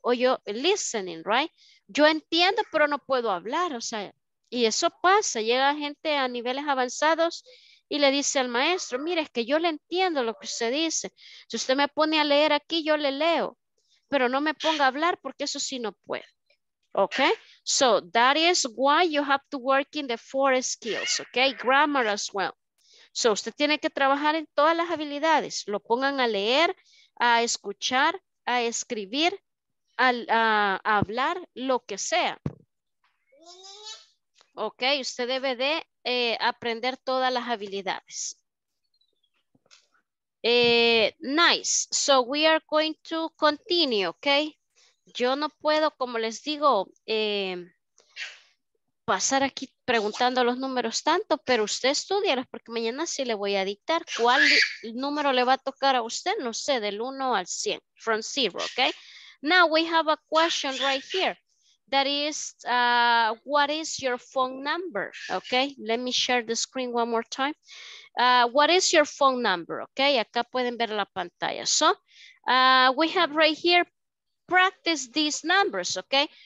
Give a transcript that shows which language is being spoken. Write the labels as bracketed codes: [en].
[es] O yo, [en] listening, right? [es] Yo entiendo, pero no puedo hablar. O sea, y eso pasa. Llega gente a niveles avanzados y le dice al maestro, mire, es que yo le entiendo lo que usted dice. Si usted me pone a leer aquí, yo le leo. Pero no me ponga a hablar, porque eso sí no puedo. [en] Okay, so that is why you have to work in the four skills, okay? Grammar as well. [es] So usted tiene que trabajar en todas las habilidades. Lo pongan a leer, a escuchar, a escribir, a hablar, lo que sea. Okay, usted debe de aprender todas las habilidades. [en] Nice, so we are going to continue, okay? [es] Yo no puedo, como les digo, pasar aquí preguntando los números tanto, pero usted estúdialos, porque mañana sí le voy a dictar cuál número le va a tocar a usted, no sé, del 1 al 100, [en] from 0, [es] ¿ok? [en] Now we have a question right here, that is, what is your phone number, ¿ok? Let me share the screen one more time. What is your phone number, ¿ok? [es] Acá pueden ver la pantalla. [en] So, we have right here, practice these numbers, ¿ok?